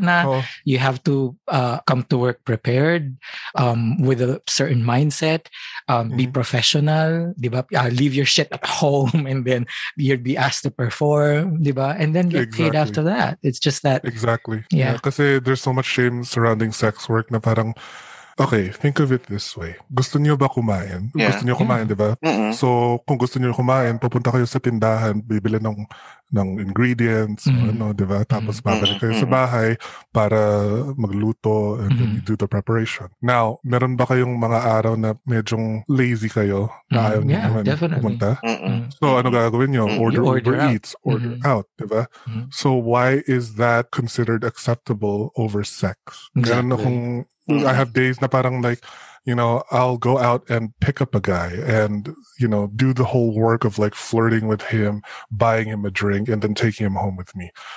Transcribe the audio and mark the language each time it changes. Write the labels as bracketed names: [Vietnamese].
[English] Na you have to come to work prepared with a certain mindset, be professional, [Filipino] diba? [English] Leave your shit at home and then you'd be asked to perform, diba? And then get paid after that. It's just that. Exactly. Yeah. [Filipino] Kasi [English] there's so much shame surrounding sex work [Filipino] na parang, [English] okay, think of it this way. [Filipino] Gusto niyo ba kumain? [English] Yeah. [Filipino] Gusto niyo kumain, di ba? Mm-hmm. So, kung gusto niyo kumain, pupunta kayo sa tindahan, bibili ng ingredients, di ba? Tapos babalik kayo sa bahay para magluto [English] and then you do the preparation. [Filipino] Now, meron ba kayong mga araw na medyong lazy kayo na ayaw niyo naman pumunta? So, ano gagawin niyo? [English] Order out, [Filipino] di ba? [English] So, why is that considered acceptable over sex? Exactly. [Filipino] Ganun akong, [English] I have days na parang like, you know, I'll go out and pick up a guy and, you know, do the whole work of like flirting with him, buying him a drink, and then taking him home with me.